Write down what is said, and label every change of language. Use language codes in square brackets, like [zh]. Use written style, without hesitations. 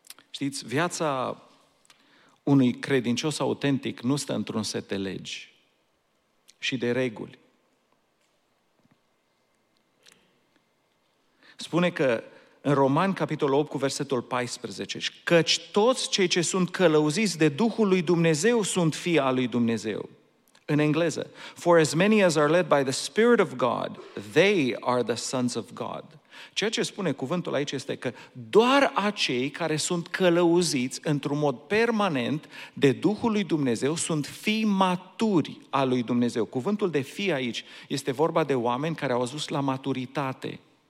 [ro] Știți, viața unui credincios autentic nu stă într-un set de legi și de reguli. Spune că în Romani, capitolul 8, cu versetul 14, căci toți cei ce sunt călăuziți de Duhul lui Dumnezeu sunt fii al lui Dumnezeu. În engleză, [en] for as many as are led by the Spirit of God, they are the sons of God. [ro] Ceea ce spune cuvântul aici este că doar acei care sunt călăuziți într-un mod permanent de Duhul lui Dumnezeu sunt fii maturi al lui Dumnezeu. Cuvântul de fii aici este vorba de oameni care au ajuns la maturitate.